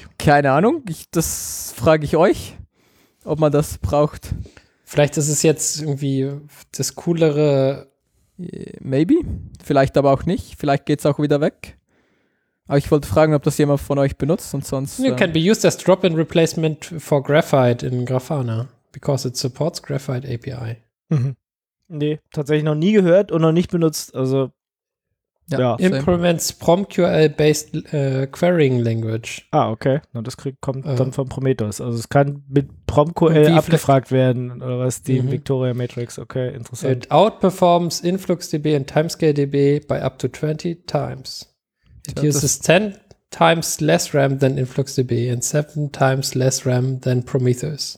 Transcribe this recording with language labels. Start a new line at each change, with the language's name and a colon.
German: Keine Ahnung. Das frage ich euch, ob man das braucht. Vielleicht ist es jetzt irgendwie das coolere. Maybe. Vielleicht aber auch nicht. Vielleicht geht es auch wieder weg. Aber ich wollte fragen, ob das jemand von euch benutzt und sonst.
English: You can be used as drop-in replacement for Graphite in Grafana, because it supports Graphite API. Mhm.
German: Nee, tatsächlich noch nie gehört und noch nicht benutzt. Also,
English: ja. Implements PromQL-based querying language.
German: Ah, okay. Na, das kommt dann von Prometheus. Also, es kann mit PromQL abgefragt werden, oder was? Die Victoria Matrix. Okay, interessant. It
English: outperforms InfluxDB and TimescaleDB by up to 20 times. It uses 10 times less RAM than InfluxDB and 7 times less RAM than Prometheus.